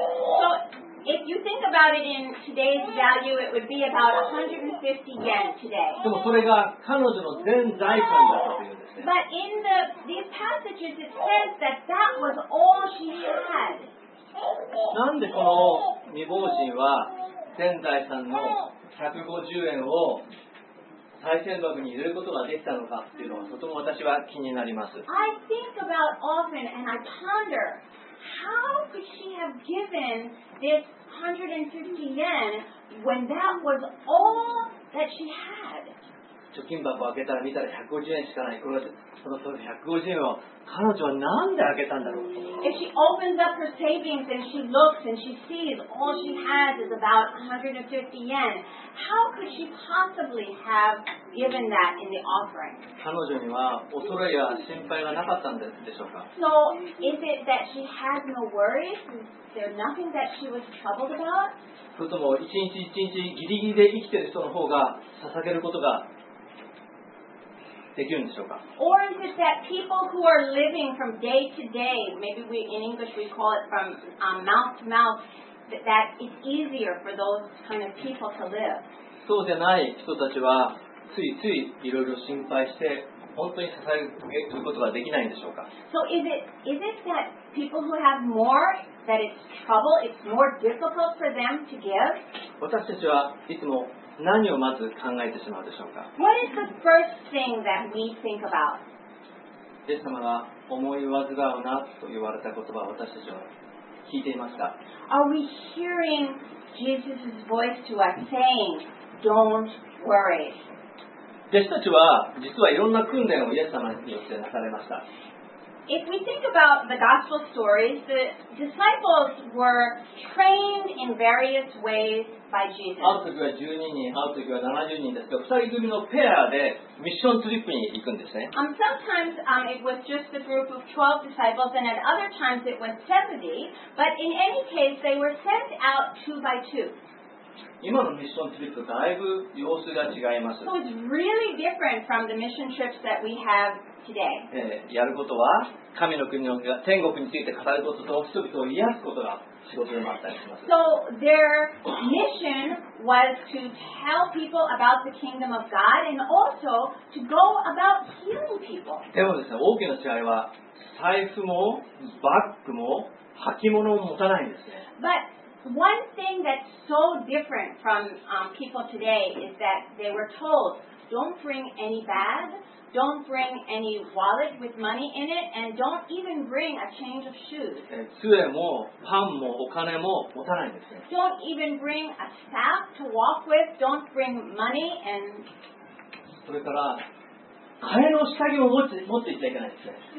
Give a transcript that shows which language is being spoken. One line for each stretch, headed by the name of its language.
English: So if you think about it in today's value, it would be about 150 yen today.
Japanese: でもそれが彼女の全財産だという。
English: But in these passages, it says that that was all she had.
Japanese: なんでこの未亡人は全財産の150円を賽銭箱に入れることができたのかっていうのはとても私は気になります。
English: I think about often and I ponder how could she have given this 150 yen when that was all that she had.
Japanese: 貯金箱を開けたら見たら150円しかない。その150円を彼女はなんで開けたんだろう。
English: If she opens up her savings and she looks and she sees all she has is about 150 yen, how could she possibly have given that in the offering?
Japanese: 彼女には恐れや心配がなかったんでしょうか。
English: So is it that she had no worries? Is there nothing that she was troubled about?
Japanese: それとも一日一日ギリギリで生きている人の方が捧げることができるんでしょうか。
English: Or is it that people who are living from day to day, maybe we in English we call it from mouth to mouth, that it's easier for those kind of people to live?
Japanese: そうじゃない人たちはついついいろいろ心配して本当に支えることができないんでしょうか。
English: So is it that people who have more, that it's trouble, it's more difficult for them to give?
Japanese: 私たちはいつも何をまず考えてしまうでしょうか。
English: What is the first thing that we think about?
Japanese: イエス様が思い患うなと言われた言葉を私たちは聞いていますか。
English: Are we hearing Jesus' voice to us saying, don't worry?
Japanese: 弟子たちは実はいろんな訓練をイエス様によってなされました。
English: If we think about the gospel stories, the disciples were trained in various ways by Jesus.
Japanese: ある時は12人、ある時は70人ですけど、2人組のペアでミッショントリップに行くんですね。
English: Sometimes it was just a group of 12 disciples, and at other times it was 70, but in any case, they were sent out two by two.
Japanese: 今のミッショントリップだいぶ様子が違います。
English: So it's really different from the mission trips that we have Today.
Japanese: やることは神の国の天国について語ることと人々を癒すことが仕事でもあったりします。
English: So their mission was to tell people about the kingdom of God and also to go about healing people.
Japanese: でもですね、大きな違いは財布もバッグも履物を持たないんですね。
English: But one thing that's so different from people today is that they were told, don't bring any bag. Don't bring any wallet with money in it, and don't even bring a change of shoes.
Japanese: 杖もパンもお金も持たないんですね。
English: Don't even bring a staff to walk with. Don't bring money and.
Japanese: それから、替えの下着も持っていっちゃいけないんですね。